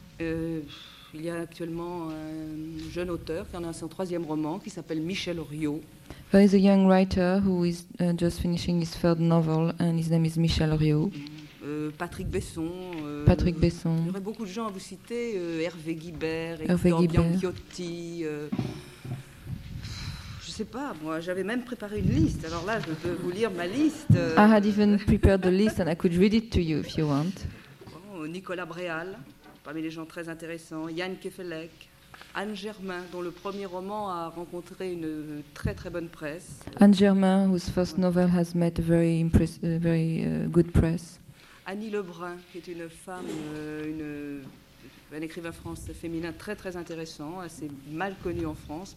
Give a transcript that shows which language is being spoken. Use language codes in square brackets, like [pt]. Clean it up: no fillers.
[fr] Il y a actuellement un jeune auteur qui en a son troisième roman qui s'appelle Michel Riault. [en] There is a young writer who is just finishing his third novel, and his name is Michel Riault. [fr] Patrick Besson. Patrick Besson. Il y aurait beaucoup de gens à vous citer. Hervé Guibert. Hervé Guibert. Bianchiotti. Je ne sais pas, moi, j'avais même préparé une liste. Alors là, je peux vous lire ma liste. [en] I had even prepared the list, and I could read it to you if you want. [fr] Nicolas Bréal, parmi les gens très intéressants. Yann Kefelec. Anne Germain, dont le premier roman a rencontré une très très bonne presse. [en] Anne Germain, whose first novel has met very good press. [fr] Annie Lebrun, qui est une femme, un écrivain français féminin très très intéressant, assez mal connu en France.